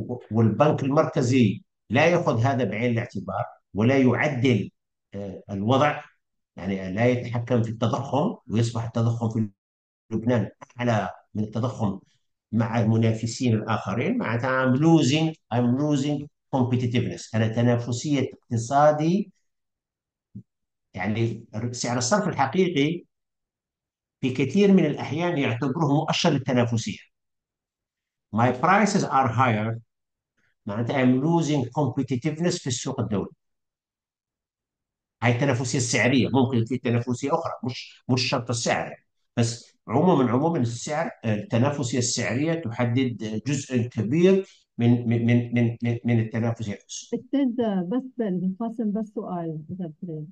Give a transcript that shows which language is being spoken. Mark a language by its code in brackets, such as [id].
[ar] والبنك المركزي لا ياخذ هذا بعين الاعتبار ولا يعدل الوضع، يعني لا يتحكم في التضخم، ويصبح التضخم في لبنان أعلى من التضخم مع المنافسين الآخرين، معناتها [en] I'm losing competitiveness. [ar] أنا تنافسية اقتصادي، يعني سعر الصرف الحقيقي في كثير من الأحيان يعتبره مؤشر للتنافسية. [en] My prices are higher، [ar] معناتها [en] I'm losing competitiveness [ar] في السوق الدولي. هاي التنافسيه السعريه، ممكن في تنافسيه اخرى مش شرط السعر، بس عموما السعر، التنافسيه السعريه تحدد جزء كبير من التنافسيه في السوق. استاذ، بس بنفصل بس سؤال اذا بتريد.